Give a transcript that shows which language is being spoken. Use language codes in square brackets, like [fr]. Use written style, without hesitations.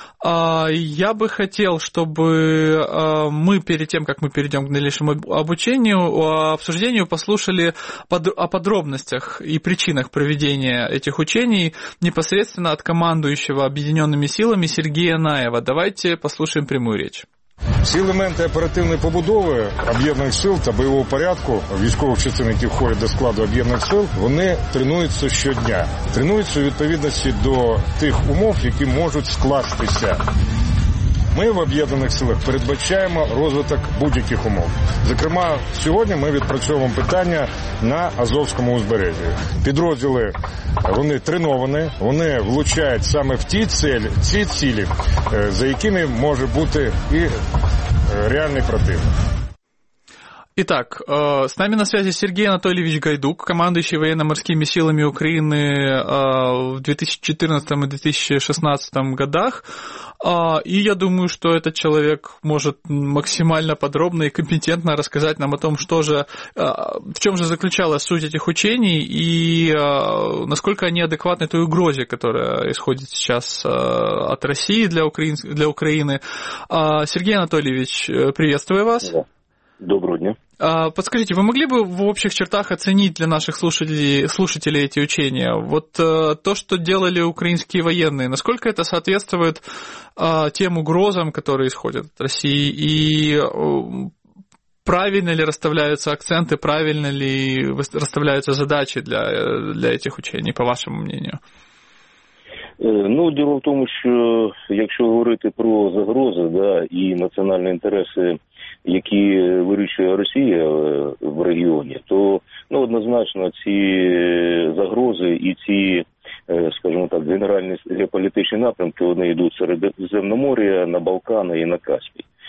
[ru] Я бы хотел, чтобы мы перед тем, как мы перейдем к дальнейшему обсуждению, послушали о подробностях и причинах проведения этих учений непосредственно от командующего объединенными силами Сергея Наева. Давайте послушаем прямую речь. [uk] Всі елементи оперативної побудови об'єднаних сил та бойового порядку, військових частин, які входять до складу об'єднаних сил, вони тренуються щодня. Тренуються у відповідності до тих умов, які можуть скластися. Ми в об'єднаних силах передбачаємо розвиток будь-яких умов. Зокрема, сьогодні ми відпрацьовуємо питання на Азовському узбережжі. Підрозділи, вони треновані, вони влучають саме в ці цілі, за якими може бути і реальний противник. [ru] Итак, с нами на связи Сергей Анатольевич Гайдук, командующий военно-морскими силами Украины в 2014 и 2016 годах. И я думаю, что этот человек может максимально подробно и компетентно рассказать нам о том, что же, в чем же заключалась суть этих учений и насколько они адекватны той угрозе, которая исходит сейчас от России для Украины. Сергей Анатольевич, приветствую вас. Доброго дня. Подскажите, вы могли бы в общих чертах оценить для наших слушателей эти учения? Вот то, что делали украинские военные, насколько это соответствует тем угрозам, которые исходят от России, и правильно ли расставляются акценты, правильно ли расставляются задачи для этих учений, по вашему мнению? Ну, дело в том, что, если говорить про загрозы, да, и национальные интересы, [uk] які вирішує Росія в регіоні, то, ну, однозначно ці загрози і ці, скажімо так, генеральні геополітичні напрямки, вони йдуть в Середземномор'я, на Балкани і на Каспій.